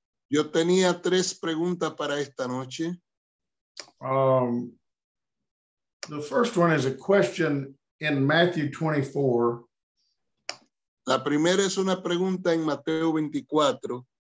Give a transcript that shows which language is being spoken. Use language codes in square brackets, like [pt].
[es] Yo tenía tres preguntas para esta noche. [en] The first one is a question in Matthew 24. [es] La primera es una pregunta en Mateo 24.